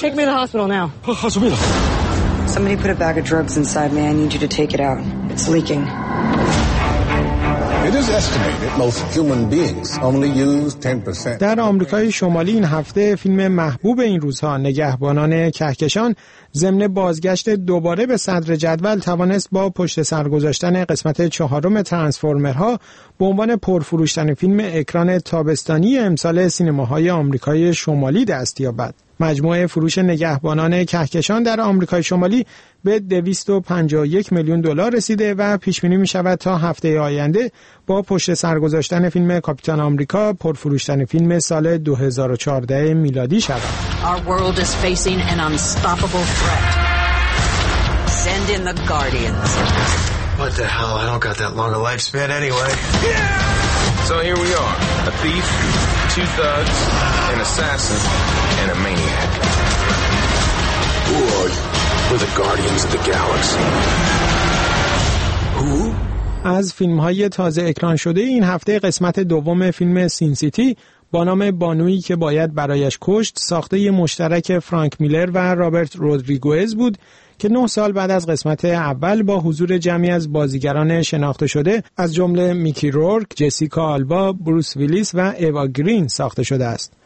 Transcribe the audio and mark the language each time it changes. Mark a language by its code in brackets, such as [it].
[en] Take me to the hospital now. Hospital. Somebody put a bag of drugs inside me. I need you to take it out. It's leaking. It is estimated most human beings only use 10%. [fa] در آمریکای شمالی این هفته فیلم محبوب این روزها نگهبانان کهکشان ضمن بازگشت دوباره به صدر جدول توانست با پشت سر گذاشتن قسمت چهارم ترانسفورمرها به عنوان پرفروشترین فیلم اکران تابستانی امسال سینماهای آمریکای شمالی دست یابد. مجموعه فروش نگهبانان کهکشان در آمریکای شمالی به 251 میلیون دلار رسیده و پیش بینی می شود تا هفته آینده با پشت سر گذاشتن فیلم کاپیتان آمریکا پرفروشترین فیلم سال 2014 میلادی شود. [en] Our world is facing an unstoppable threat. Send in the guardians. What the hell? I don't got that long a lifespan anyway. Yeah! So here we are. A thief, two thugs, an assassin, and a maniac. Who are you? We're the guardians of the galaxy. Who? [fa] از فیلم‌های تازه اکران شده این هفته قسمت دوم فیلم سین سیتی با نام بانویی که باید برایش کشت، ساخته مشترک فرانک میلر و رابرت رودریگوئز بود که 9 سال بعد از قسمت اول با حضور جمعی از بازیگران شناخته شده از جمله میکی رورک، جسیکا آلبا، بروس ویلیس و ایوا گرین ساخته شده است.